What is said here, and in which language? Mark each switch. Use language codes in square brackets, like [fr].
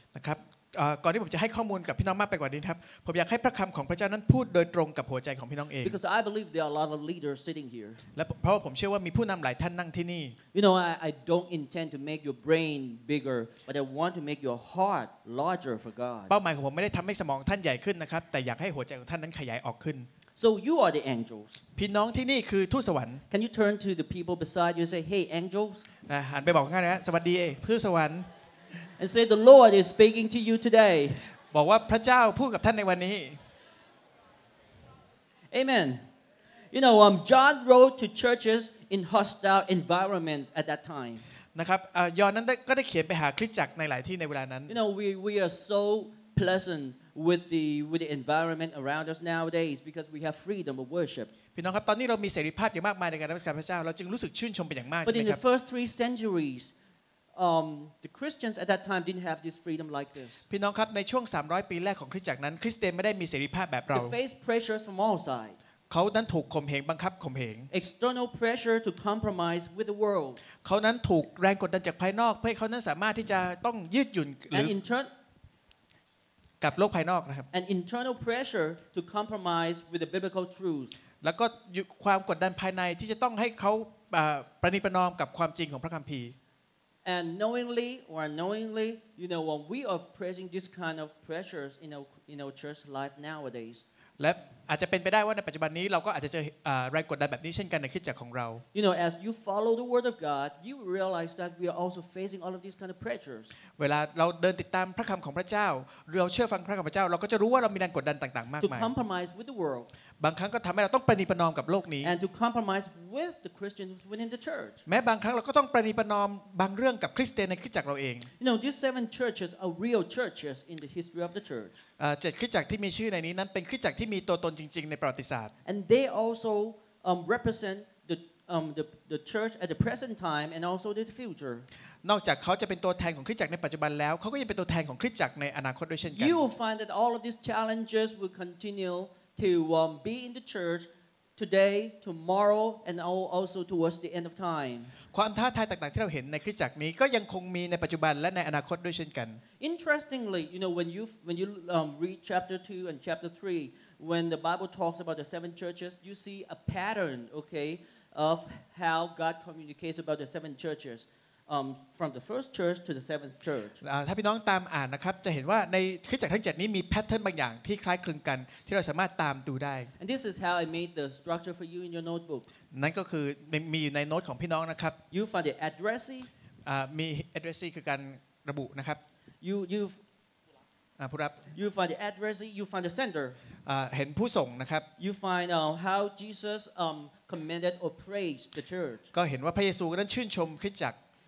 [th] นะครับก่อนที่ผมจะให้ข้อมูลกับพี่น้องมากไปกว่านี้ครับผมอยากให้พระคำของพระเจ้านั้นพูดโดยตรงกับหัวใจของพี่น้องเอง [en] Because I believe there are a lot of leaders sitting here [th] และเพราะผมเชื่อว่ามีผู้นำหลายท่านนั่งที่นี่ [en] You know I don't intend to make your brain bigger but I want to make your heart larger for God [th] เป้าหมายของผมไม่ได้ทำให้สมองท่านใหญ่ขึ้นนะครับแต่อยากให้หัวใจของท่านนั้นขยายออกขึ้น [en] So you are the angels [th] พี่น้องที่นี่คือทูตสวรรค์ [en] Can you turn to the people beside you and say Hey angels [th] หันไปบอกข้างหน้านะสวัสดีทูตสวรรค์ [en] And say the Lord is speaking to you today. [th] บอกว่าพระเจ้าพูดกับท่านในวันนี้ [en] Amen. You know, John wrote to churches in hostile environments at that time. [th] นะครับยอห์นนั้นก็ได้เขียนไปหาคริสตจักรในหลายที่ในเวลานั้น [en] You know, we are so pleasant with the environment around us nowadays because we have freedom of worship. [th] พี่น้องครับตอนนี้เรามีเสรีภาพอย่างมากมายในการนมัสการพระเจ้าเราจึงรู้สึกชื่นชมเป็นอย่างมากใช่ไหมครับ [en] But in the first 3 centuriesthe Christians at that time didn't have this freedom like this. [th] พี่น้องครับในช่วง300ปีแรกของคริสตจักรนั้นคริสเตียนไม่ได้มีเสรีภาพแบบเรา [en] They faced pressures from all sides. [th] เขานั้นถูกข่มเหงบังคับข่มเหง [en] External pressure to compromise with the world. [th] เขานั้นถูกแรงกดดันจากภายนอกเพื่อเขานั้นสามารถที่จะต้องยืดหยุ่นหรือกับโลกภายนอกนะครับ [en] And internal pressure to compromise with the biblical truths. [th] แล้วก็ความกดดันภายในที่จะต้องให้เขาประนีประนอมกับความจริงของพระคัมภีร์ [en] And knowingly or unknowingly, you know, when we are facing this kind of pressures in our church life nowadays. [th] และอาจจะเป็นไปได้ว่าในปัจจุบันนี้เราก็อาจจะเจอแรงกดดันแบบนี้เช่นกันในคริสตจักรของเรา [en] You know, as you follow the word of God, you realize that we are also facing all of these kind of pressures. [th] เวลาเราเดินติดตามพระคำของพระเจ้าเราเชื่อฟังพระคำพระเจ้าเราก็จะรู้ว่าเรามีแรงกดดันต่างๆมากมาย [en] To compromise with the world. [th] บางครั้งก็ทำให้เราต้องประนีประนอมกับโลกนี้ [en] And to compromise with the Christians within the church. [th] แม้บางครั้งเราก็ต้องประนีประนอมบางเรื่องกับคริสเตียนในคริสตจักรเราเอง [en] You know, these 7 churches are real churches in the history of the church. [th] 7 คริสตจักรที่มีชื่อในนี้นั้นเป็นคริสตจักรที่มีตัวตนจริงๆในประวัติศาสตร์ [en] And they also represent the the church at the present time and also the future. [th] นอกจากเขาจะเป็นตัวแทนของคริสตจักรในปัจจุบันแล้วเขาก็ยังเป็นตัวแทนของคริสตจักรในอนาคตด้วยเช่นกัน [en] You will find that all of these challenges will continue to be in the church today, tomorrow, and also towards the end of time. [th] ความท้าทายต่างๆที่เราเห็นในคริสตจักรนี้ก็ยังคงมีในปัจจุบันและในอนาคตด้วยเช่นกัน [en] Interestingly, you know, when you read chapter 2 and chapter 3, when the Bible talks about the seven churches, you see a pattern, okay, of how God communicates about the seven churches. From the first church to the seventh church. [th] ถ้าพี่น้องตามอ่านนะครับจะเห็นว่าในคริสตจักรทั้ง7นี้มีแพทเทิร์นบางอย่างที่คล้ายคลึงกันที่เราสามารถตามดูได้ [en] And this is how I made the structure for you in your notebook. [th] นั่นก็คือมีอยู่ในโน้ตของพี่น้องนะครับ [en] You find the addressee. [th] มี addressee คือการระบุนะครับ [en] You [th] ผู้รับ [en] You find the addressee. You find the sender. [th] เห็นผู้ส่งนะครับ [en] You find how Jesus commended or praised the church. [th] ก็เห็นว่าพระเยซูนั้นชื่นชมคริสตจักร